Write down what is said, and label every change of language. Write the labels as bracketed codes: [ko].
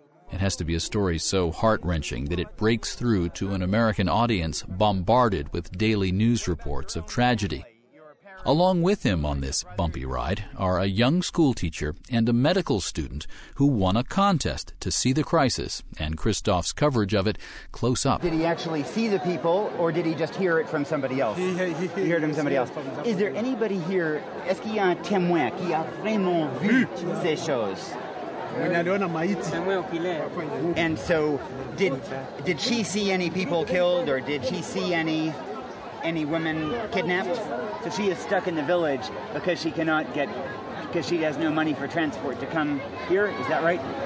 [en] It has to be a story so heart-wrenching that it breaks through to an American audience bombarded with daily news reports of tragedy. Along with him on this bumpy ride are a young schoolteacher and a medical student who won a contest to see the crisis and Kristof's coverage of it close up. Did he actually see the people, or did he just hear it from somebody else? He heard it from somebody else. Is there anybody here, [fr] est-ce qu'il y a un témoin qui a vraiment vu ces choses? [en] And so, did she see any people killed, or did she see any women kidnapped? So she is stuck in the village because she has no money for transport to come here, is that right?